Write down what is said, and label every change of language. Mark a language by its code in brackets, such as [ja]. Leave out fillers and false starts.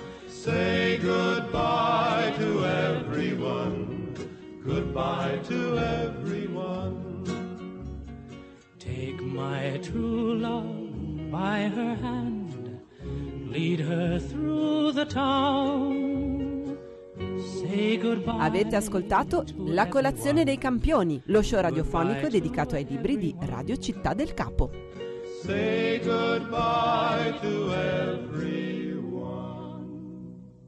[en] Say goodbye to everyone, goodbye to everyone. Take my true love by her hand, lead her through the town. [it] Avete ascoltato La colazione dei campioni, lo show radiofonico dedicato ai libri di Radio Città del Capo. [en] Say goodbye to everyone.